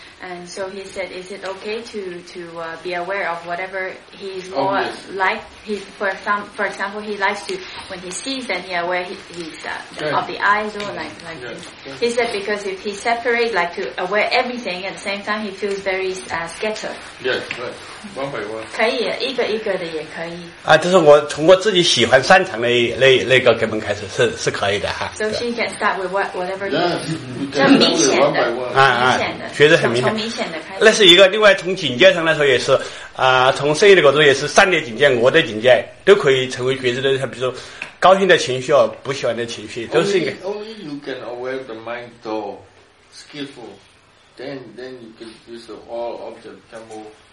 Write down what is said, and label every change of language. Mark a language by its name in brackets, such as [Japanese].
[English] And so he said, is it okay to be aware of whatever he is more like? For example, he likes to, when he sees, then he aware of the eyes or like this. He said, because if he separates, like to aware everything, at the same time, he feels very scattered. Yes, right. [Chinese] 可以一个一个的也可以啊，就是我从我自己喜欢擅长的那个根本开始是可以的哈。 [English] So she can start with whatever you want. [Chinese] 很明显的确实很明显的开始。那是一个，另外从境界上来说也是从圣意的角度也是善的境界、恶的境界都可以成为觉知的，像比如说高兴的情绪、不喜欢的情绪都是一个。 [English] Only you can aware the mind though skillful, then you can use all object temple.